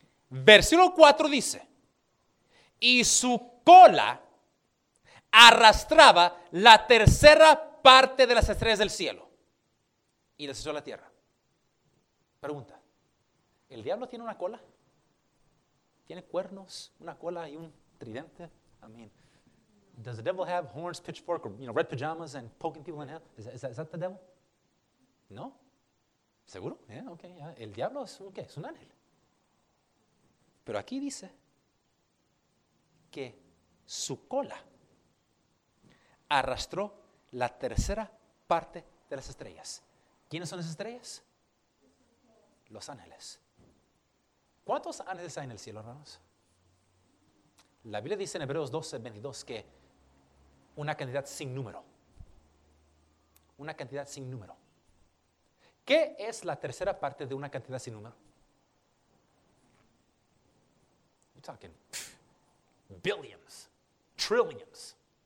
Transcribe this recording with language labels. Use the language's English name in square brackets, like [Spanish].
[Spanish] Versículo 4 dice: y su cola arrastraba la tercera parte de las estrellas del cielo y las echó a la tierra. Pregunta: ¿el diablo tiene una cola? ¿Tiene cuernos, una cola y un tridente? [English] I mean, does the devil have horns, pitchfork, or, you know, red pajamas and poking people in hell? Is that the devil? No. [Spanish] ¿Seguro? [English] Yeah, okay. Yeah. [Spanish] El diablo es un, ¿qué? Es un ángel. Pero aquí dice que su cola arrastró la tercera parte de las estrellas. ¿Quiénes son esas estrellas? Los ángeles. ¿Cuántos ángeles hay en el cielo, hermanos? La Biblia dice en Hebreos 12:22 que una cantidad sin número. Una cantidad sin número. ¿Qué es la tercera parte de una cantidad sin número? [English] You're talking billions, trillions.